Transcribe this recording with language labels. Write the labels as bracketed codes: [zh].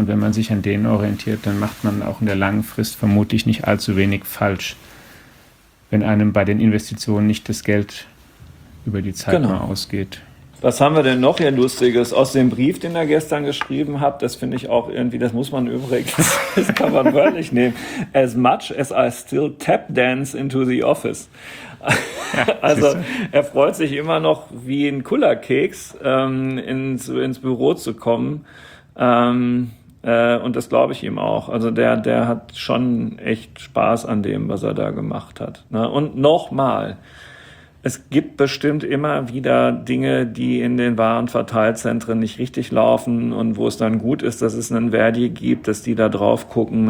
[de] Und wenn man sich an denen orientiert, dann macht man auch in der langen Frist vermutlich nicht allzu wenig falsch, wenn einem bei den Investitionen nicht das Geld über die Zeit mal ausgeht. Was haben wir denn noch hier Lustiges aus dem Brief, den er gestern geschrieben hat? Das finde ich auch irgendwie, das muss man übrigens, das kann man wörtlich nehmen. [en] As much as I still tap dance into the office. [de] Also er freut sich immer noch wie ein Kullerkeks ins Büro zu kommen. Und das glaube ich ihm auch. Also der hat schon echt Spaß an dem, was er da gemacht hat. Ne? Und nochmal. Es gibt bestimmt immer wieder Dinge, die in den Warenverteilzentren nicht richtig laufen und wo es dann gut ist, dass es einen Verdi gibt, dass die da drauf gucken.